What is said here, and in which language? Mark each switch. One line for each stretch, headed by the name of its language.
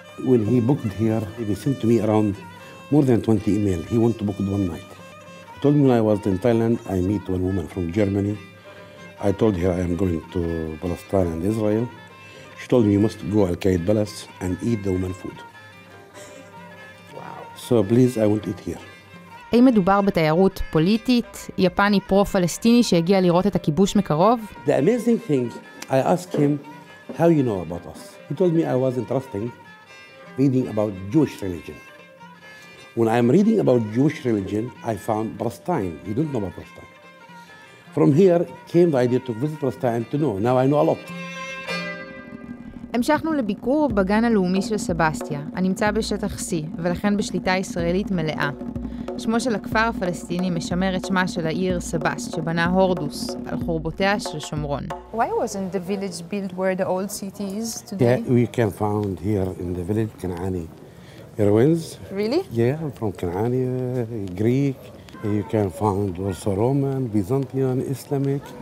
English: When he booked here, he sent to me around more than 20 emails. He wanted to book one night. He told me when I was in Thailand, I meet one woman from Germany. I told her I am going to Palestine and Israel. She told me you must go Al-Qaid Palace and eat the woman food. Wow. So please, I want to eat here.
Hebrew: האם מדובר בתיירות פוליטית, יפני פרו-פלסטיני שהגיע לראות את הכיבוש מקרוב?
English: The amazing thing, I asked him, how you know about us? He told me I was interested reading about Jewish religion. When I am reading about Jewish religion, I found Palestine. You don't know about Palestine. From here came the idea to visit Palestine and to know. Now I know a lot.
Hebrew: המשכנו לביקור בגן הלאומי של סבסטיה, הנמצא בשטח C, ולכן בשליטה ישראלית מלאה. שמו של הכפר הפלסטיני משמר את שמה של העיר סבסט, שבנה הורדוס, על חורבותיה של שומרון.
English: Why wasn't the village built where the old city is today? Yeah, we can found here in the village Kanani. Ruins. Really? Yeah, from Canaanite, Greek. You can find also Roman, Byzantine, Islamic.